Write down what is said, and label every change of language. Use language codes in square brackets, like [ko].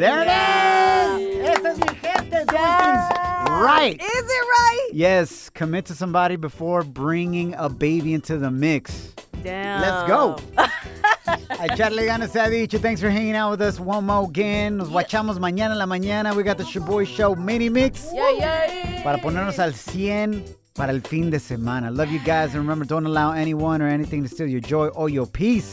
[en] There it is. [es] Esa es mi gente. [en] Yeah. Right. Is it right? Yes. Commit to somebody before bringing a baby into the mix. Damn. Let's go. [es] Echarle ganas a dicho. [en] Thanks for hanging out with us one more again. [es] Nos guachamos mañana en la mañana. [en] We got the Shaboy Show mini mix. Yeah, yeah. [es] Para ponernos al 100 para el fin de semana. [en] Love you guys. And remember, don't allow anyone or anything to steal your joy or your peace.